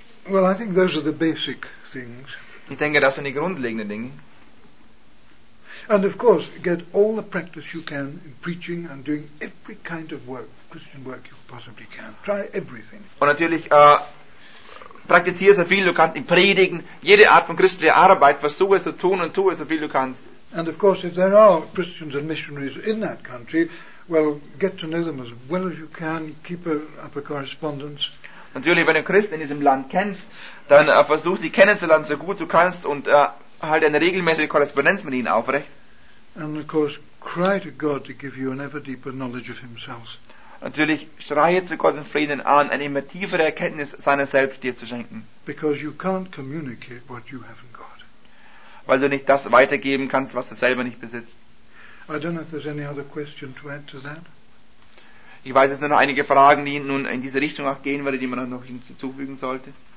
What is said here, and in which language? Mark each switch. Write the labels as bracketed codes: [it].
[en] Well, I think those are the basic things. [de] Ich denke, das sind die grundlegenden Dinge. [en] And of course, get all the practice you can in preaching and doing every kind of work, Christian work you possibly can. Try everything. [de] Und natürlich praktiziere so viel du kannst, im Predigen, jede Art von christlicher Arbeit, versuche es zu tun und tue es so viel du kannst. [en] And of course, if there are Christians and missionaries in that country, well, get to know them as well as you can, keep up a correspondence. [de] Natürlich, wenn du Christen in diesem Land kennst, dann versuch sie kennenzulernen, so gut du kannst, und halt eine regelmäßige Korrespondenz mit ihnen aufrecht. [en] And of course, cry to God to give you an ever deeper knowledge of himself. [de] Natürlich, schreie zu Gott in Frieden an, eine immer tiefere Erkenntnis seiner selbst dir zu schenken. [en] Because you can't communicate what you haven't got. [de] Weil du nicht das weitergeben kannst, was du selber nicht besitzt. [en] I don't know if there's any other question to add to that. [de] Ich weiß, es sind noch einige Fragen, die nun in diese Richtung auch gehen würde, die man noch hinzufügen sollte.